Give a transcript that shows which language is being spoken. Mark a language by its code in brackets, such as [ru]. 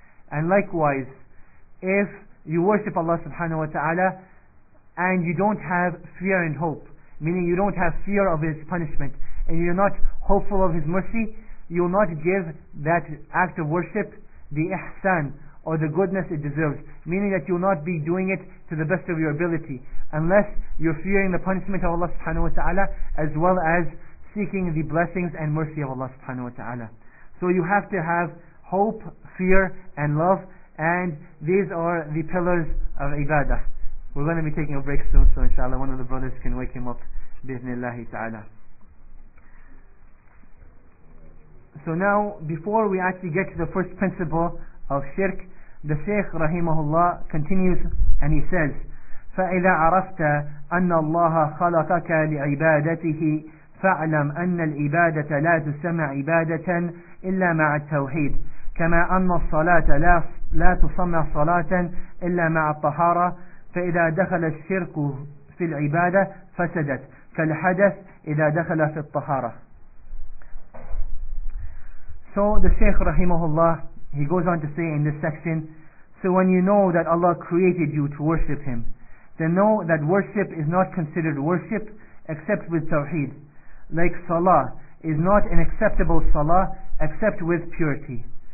[en] And likewise, if you worship Allah subhanahu wa ta'ala and you don't have fear and hope, meaning you don't have fear of His punishment and you're not hopeful of His mercy, you'll not give that act of worship the ihsan or the goodness it deserves, meaning that you'll not be doing it to the best of your ability unless you're fearing the punishment of Allah subhanahu wa ta'ala as well as seeking the blessings and mercy of Allah subhanahu wa ta'ala. So you have to have hope, fear and love, and these are the pillars of ibadah. We're going to be taking a break soon, so inshallah one of the brothers can wake him up bi-ithnillahi ta'ala. So now, before we actually get to the first principle of shirk, the Shaykh rahimahullah continues and he says, [ar] فَإِذَا عَرَفْتَ أَنَّ اللَّهَ خَلَقَكَ لِعِبَادَتِهِ فَاعْلَمْ أَنَّ الْعِبَادَةَ لَا تُسَمَّ عِبَادَةً إِلَّا مَعَ التَّوْحِيدِ كما أن الصلاة لا تسمى صلاة إلا مع الطهارة فإذا دخل الشرك في العبادة فسدت كالحدث إذا دخل في الطهارة. [en] So the Shaykh rahimahullah, he goes on to say in this section, so when you know that Allah created you to worship Him, then know that worship is not considered worship except with tawheed, like salah is not an acceptable salah except with purity.